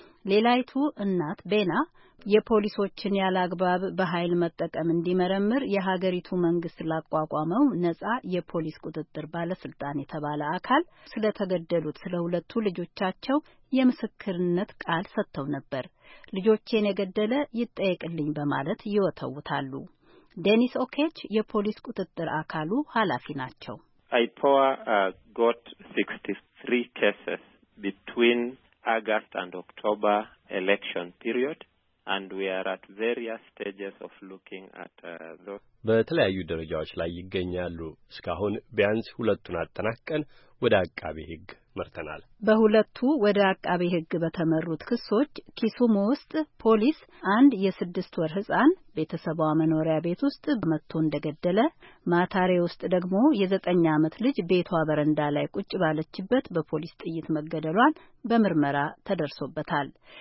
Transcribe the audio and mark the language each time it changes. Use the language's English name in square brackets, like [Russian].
[Amharic] ሌላይቱ እናት ቤና የፖሊሶችን ያላግባብ በኃይል መጠቀም እንዲመረምር የሀገሪቱ መንግስት ላቋቋመው ነጻ የፖሊስ ቁጥጥር ባለስልጣን የተባለ አካል ስለተገደሉት ስለሁለቱ ልጆቻቸው የምስክርነት ቃል ሰጥተው ነበር። ልጆቼን የገደለ ይጠየቅልኝ በማለት ይወተውታሉ። ዴኒስ ኦኬች የፖሊስ ቁጥጥር አካሉ ኃላፊ ናቸው። [English] አይፖዋ got 63 cases between August and October election period. And we are at various stages of looking at those. [Amharic] በተለያዩ ደረጃዎች ላይ ይገኛሉ። እስካሁን ቢያንስ ሁለቱን አጠናቀን ወደ አቃቤ ሕግ መርተናል። በሁለቱ ወደ አቃቤ ሕግ በተመረጡት ክሶች ኪሱም ውስጥ ፖሊስ አንድ የስድስት ወር ሕፃን በተሰባው መኖሪያ ቤት ውስጥ በመጥቶ እንደገደለ፣ ማታሬ ውስጥ ደግሞ የዘጠኝ ዓመት ልጅ ቤቷ በረንዳ ላይ ቁጭ ባለችበት በፖሊስ ጥይት መገደሏን በምርመራ ተደርሶበታል።